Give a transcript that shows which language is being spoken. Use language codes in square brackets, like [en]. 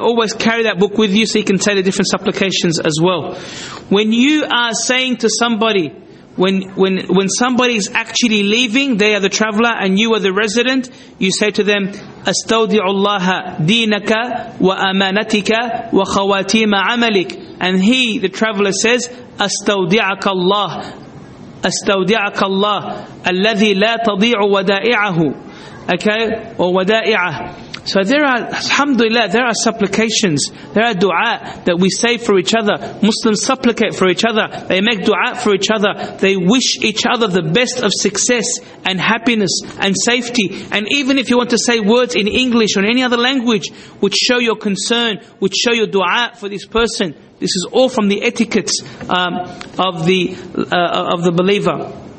[en] Always carry that book with you so you can say the different supplications as well. When you are saying to somebody, when somebody is actually leaving, they are the traveler and you are the resident, you say to them, [ar] أَسْتَوْدِعُ اللَّهَ دِينَكَ وَأَمَانَتِكَ وَخَوَاتِيمَ عَمَلِكَ. [en] And he, the traveler, says, [ar] أَسْتَوْدِعَكَ اللَّهَ أَسْتَوْدِعَكَ اللَّهَ الَّذِي لَا تَضِيعُ وَدَائِعَهُ. [en] Okay, or wada'i'a. So there are, alhamdulillah, there are supplications, there are dua that we say for each other. Muslims supplicate for each other, they make dua for each other, they wish each other the best of success and happiness and safety. And even if you want to say words in English or any other language, which show your concern, which show your dua for this person, this is all from the etiquettes of the believer.